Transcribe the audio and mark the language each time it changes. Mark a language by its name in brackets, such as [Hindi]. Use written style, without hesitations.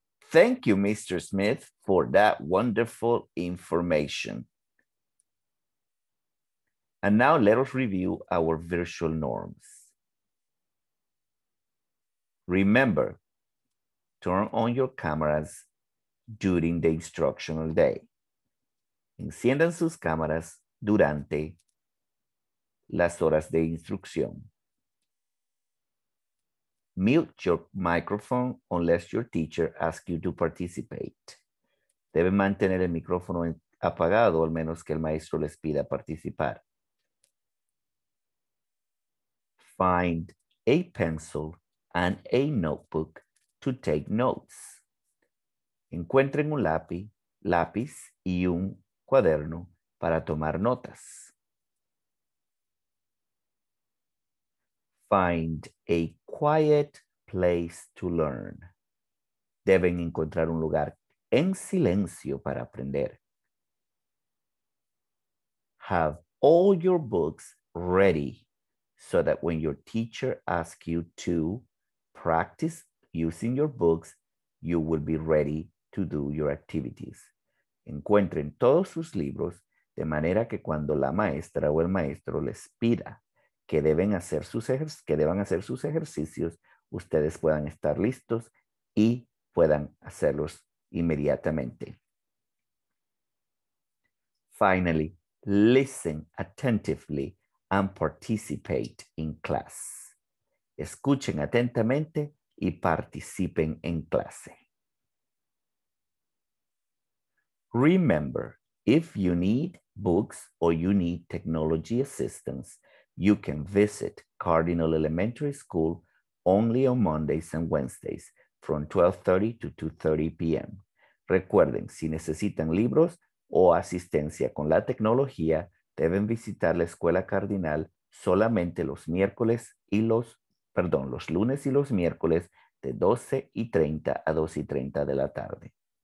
[English] Thank you, Mr. Smith, for that wonderful information. And now let us review our virtual norms. Remember, turn on your cameras during the instructional day. [Spanish] Enciendan sus cámaras durante las horas de instrucción. [English] Mute your microphone unless your teacher asks you to participate. [Spanish] Debe mantener el micrófono apagado al menos que el maestro les pida participar. [English] Find a pencil and a notebook to take notes. [Spanish] Encuentren un lápiz y un cuaderno para tomar notas. [English] Find a quiet place to learn. [Spanish] Deben encontrar un lugar en silencio para aprender. [English] Have all your books ready so that when your teacher asks you to practice using your books, you will be ready to do your activities. [Spanish] Encuentren todos sus libros de manera que cuando la maestra o el maestro les pida que deben hacer sus ejercicios, ustedes puedan estar listos y puedan hacerlos inmediatamente. [English] Finally, listen attentively and participate in class. [Spanish] Escuchen atentamente y participen en clase. [English] Remember, if you need books or you need technology assistance, you can visit Cardinal Elementary School only on Mondays and Wednesdays from 12:30 to 2:30 p.m. [Spanish] Recuerden, si necesitan libros o asistencia con la tecnología, deben visitar la Escuela Cardinal solamente los lunes y los miércoles de 12:30 a 2:30 de la tarde.